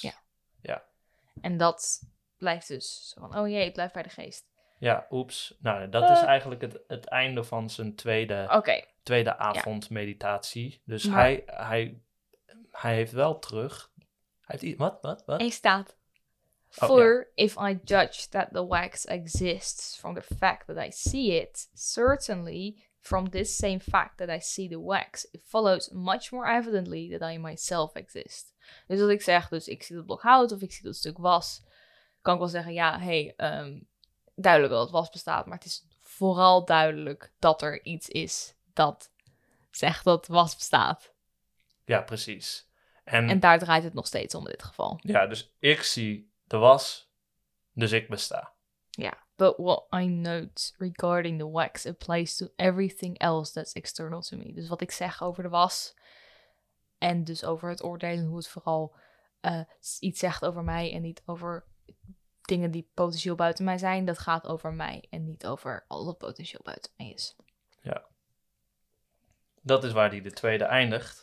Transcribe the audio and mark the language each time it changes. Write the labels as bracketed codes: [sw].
[nl] Ja. Ja. En dat blijft dus zo van, oh jee, het blijft bij de geest. Ja, oeps. Nou, dat is eigenlijk het einde van zijn tweede avond meditatie. Dus maar hij heeft wel terug. Wat? Hij staat. [en] For if I judge that the wax exists from the fact that I see it, certainly from this same fact that I see the wax, it follows much more evidently that I myself exist. [nl] Dus als ik zeg, dus ik zie dat blok hout of ik zie dat stuk was, kan ik wel zeggen, ja, duidelijk dat het was bestaat, maar het is vooral duidelijk dat er iets is dat zegt dat was bestaat. Ja, precies. En daar draait het nog steeds om in dit geval. Ja, dus ik zie de was, dus ik besta. Ja, [en] but what I note regarding the wax applies to everything else that's external to me. [nl] Dus wat ik zeg over de was en dus over het oordelen hoe het vooral iets zegt over mij en niet over dingen die potentieel buiten mij zijn, dat gaat over mij en niet over al dat potentieel buiten mij is. Ja. Dat is waar die de tweede eindigt.